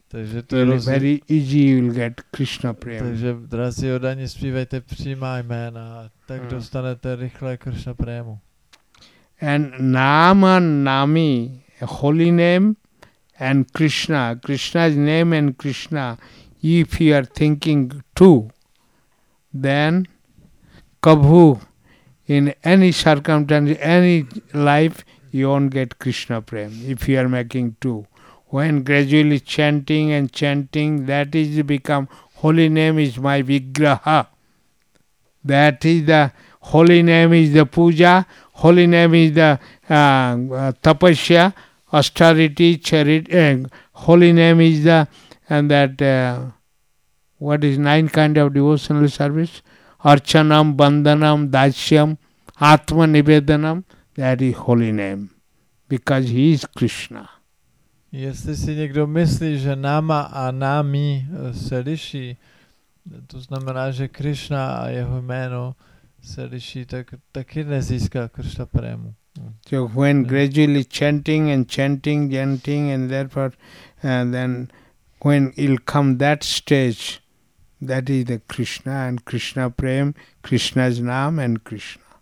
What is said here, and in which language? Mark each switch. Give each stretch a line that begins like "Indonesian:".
Czech: Takže to je rozdíl.
English: Very easy you will get Krishna prema.
Czech: Takže drazí odaní, zpívejte přímá jména, tak dostanete rychle Krishna prému.
English: And nama nami, a holy name and Krishna, Krishna's name and Krishna, if you are thinking too, then kabhu, in any circumstance, any life, you won't get Krishna prema if you are making two. When gradually chanting and chanting, that is become holy name is my vigraha. That is the holy name is the puja, holy name is the tapasya, austerity, charity, holy name is the, and that, what is nine kind of devotional service? Archanam, bandhanam, dasyam, atma nivedanam, that is holy name, because he is Krishna.
Czech: Jestli si někdo myslí, že nama a námi se liší, to znamená, že Krishna a jeho jméno se liší, tak taky nezíská Krishna prému.
English: So when gradually chanting and chanting, chanting and therefore, and then when it'll come that stage, that is the Krishna and Krishna prem, Krishna's nam and Krishna.